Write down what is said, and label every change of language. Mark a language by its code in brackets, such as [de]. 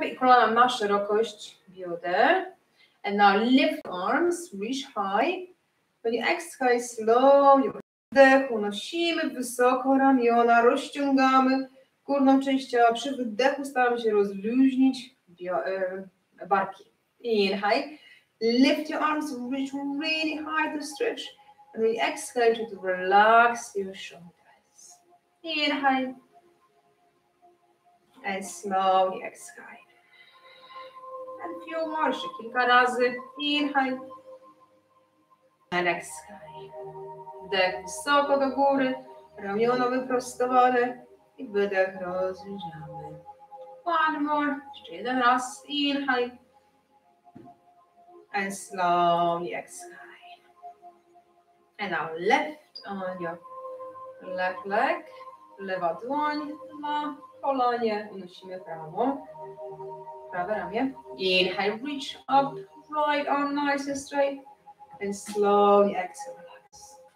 [pl] kolanem na szerokość bioder. [en] And now lift arms, reach high. When you exhale slowly, [pl] wdech, unosimy wysoko ramiona, rozciągamy górną część ciała. Przy wydechu staramy się rozluźnić barki. [en] Inhale, lift your arms, reach really high to stretch. And we exhale to relax your shoulders. Inhale. And slowly exhale. And few more, [pl] jeszcze kilka razy. [en] Inhale. And exhale. [pl] Wdech wysoko do góry, ramiona wyprostowane i wydech rozluźniamy. [en] One more, [pl] jeszcze jeden raz. [en] Inhale. And slowly exhale. And now left on your left leg, [pl] lewa dłoń na kolanie, unosimy prawo, prawe ramię. [en] Inhale, reach up, right arm nice and straight, and slowly exhale, relax.